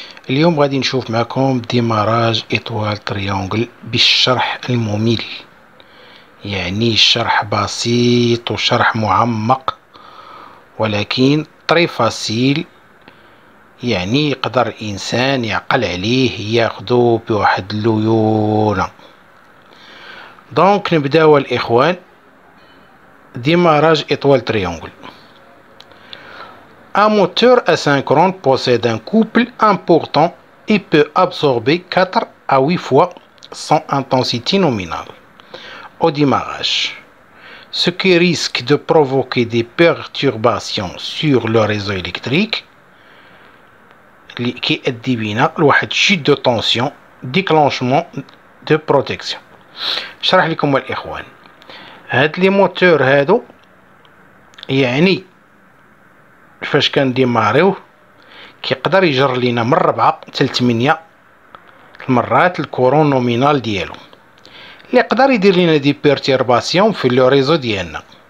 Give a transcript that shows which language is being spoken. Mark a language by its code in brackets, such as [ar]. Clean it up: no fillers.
[ar] اليوم غادي نشوف معكم ديماراج إطوال تريانجل بالشرح الممل، يعني شرح بسيط وشرح معمق ولكن طري فاسيل، يعني يقدر إنسان يعقل عليه ياخده بواحد الليونة. دونك نبداو الإخوان. [fr] Démarrage étoile triangle. Un moteur asynchrone possède un couple important et peut absorber 4 à 8 fois son intensité nominale au démarrage, ce qui risque de provoquer des perturbations sur le réseau électrique qui est divina, une chute de tension, déclenchement de protection. Je vais vous expliquer. [ar] هاد لي موتور هادو يعني فاش كنديماريوه كيقدر يجر لينا من 4 حتى 8 المرات الكورون نومينال ديالو، اللي يقدر يدير لينا [fr] دي بيرتيرباسيون في لو ريزو [ar] ديالنا.